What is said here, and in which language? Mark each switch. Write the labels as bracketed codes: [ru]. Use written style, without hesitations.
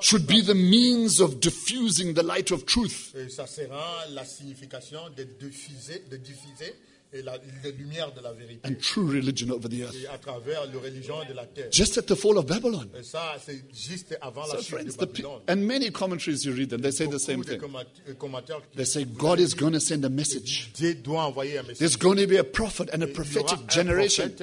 [en] should be the means of diffusing the light of truth. [fr] Et ça sera la signification de diffuser, et la lumière de la vérité. [en] And true religion over the earth. [fr] Et à travers la religion de la terre. [en] Just at the fall of Babylon. [fr] Et ça, c'est juste avant [en] so [fr] la chute [en] friends, [fr] de Babylon. [en] And many commentaries you read them, they say the same thing. They say God is going to send a message. [fr] Dieu doit envoyer un message. [en] There's going to be a prophet and a prophetic generation.